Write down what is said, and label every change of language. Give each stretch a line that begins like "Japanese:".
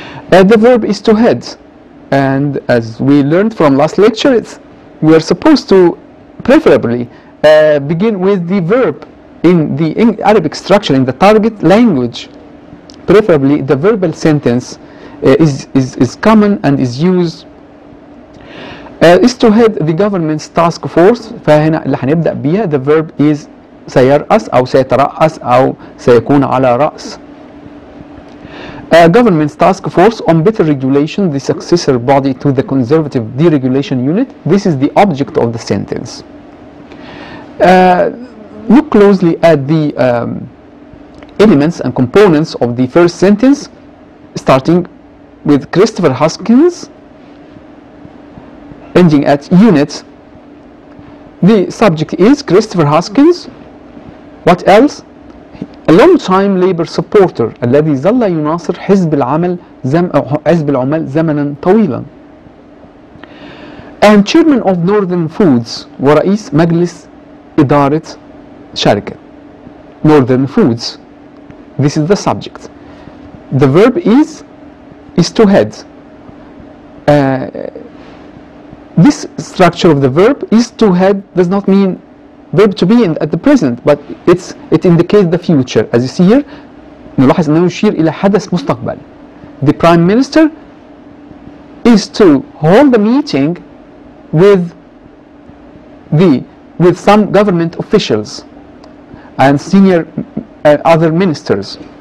English: The verb is to head, and as we learned from last lecture, we are supposed to preferably begin with the verb in the Arabic structure in the target language. Preferably, the verbal sentence is common and is used. Is to head the government's task force.
Arabic: فهنا اللي هنبدأ بيها
English: the verb is
Arabic: سيرأس أو سيترأس أو سيكون على رأس.
English: Government's task force on better regulation, the successor body to the conservative deregulation unit. This is the object of the sentence. Look closely at the elements and components of the first sentence, starting with Christopher Hoskins, ending at unit. The subject is Christopher Hoskins. What else? A long time labor supporter
Arabic: الذي ظل يناصر حزب العمل حزب العمال زمنا طويلا.
English: And chairman of Northern Foods
Arabic: ورئيس مجلس إدارة شركة
English: Northern Foods. This is the subject. The verb is to head. This structure of the verb is to head does not mean verb to be in at the present, but it indicates the future. As you see here,
Arabic: نلاحظ أنه يشير إلى حدث مستقبل.
English: The prime minister is to hold a meeting with some government officials and senior other ministers.